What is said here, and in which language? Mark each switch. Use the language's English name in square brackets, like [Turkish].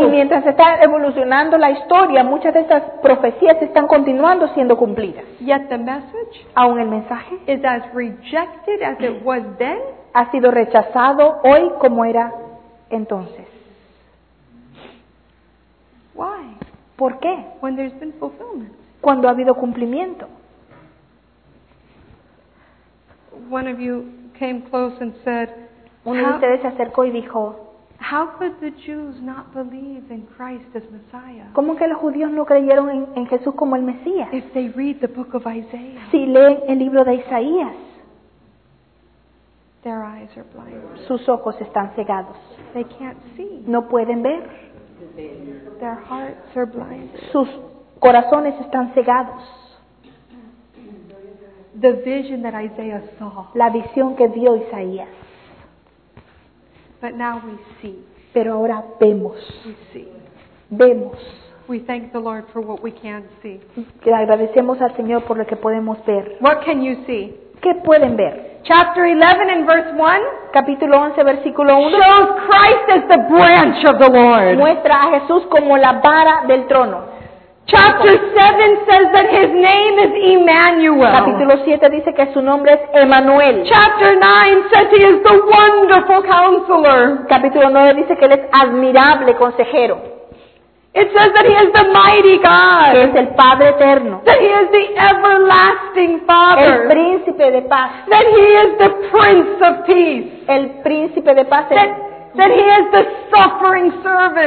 [Spanish] Y mientras está evolucionando la historia, muchas de esas profecías están continuando siendo cumplidas. [English] Yet the message, [Spanish] aún el mensaje, [English] is as rejected as it was then. [Spanish] Ha sido rechazado hoy como era entonces. [English] Why? [Spanish] ¿Por qué? [English] When there's been fulfillment. [Spanish] Cuando ha habido cumplimiento. [English] One of you came close and said, [Spanish] uno de ustedes se acercó y dijo, [English] how could the Jews not believe in Christ as Messiah? [Spanish] ¿Cómo que los judíos no creyeron en Jesús como el Mesías? [English] If they read the book of Isaiah. [Spanish] Si leen el libro de Isaías. [English] Their eyes are blind. [Spanish] Sus ojos están cegados. [English] They can't see. [Spanish] No pueden ver. [English] Their hearts are blind. [Spanish] Sus corazones están cegados. [English] The vision that Isaiah saw. [Spanish] La visión que vio Isaías. [English] But now we see. [Spanish] Pero ahora vemos. [English] We see. [Spanish] Vemos. [English] We thank the Lord for what we can see. [Spanish] Que agradecemos al Señor por lo que podemos ver. [English] What can you see? [Spanish] ¿Qué pueden ver? [English] Chapter 11 and verse 1. [Spanish] Capítulo 11, versículo 1. [English] Shows Christ as the branch of the Lord. [Spanish] Muestra a Jesús como la vara del trono. [English] Chapter 7 says that his name is Emmanuel. [Spanish] Capítulo 7 dice que su nombre es Emmanuel. [English] Chapter 9 says he is the wonderful counselor. [Spanish] Capítulo 9 dice que él es admirable consejero. [English] It says that he is the mighty God. [Spanish] Que es el Padre eterno. [English] That he is the everlasting Father. [Spanish] El príncipe de paz. [English] That he is the Prince of Peace. [Spanish] El príncipe de paz. [English] That he is the suffering servant.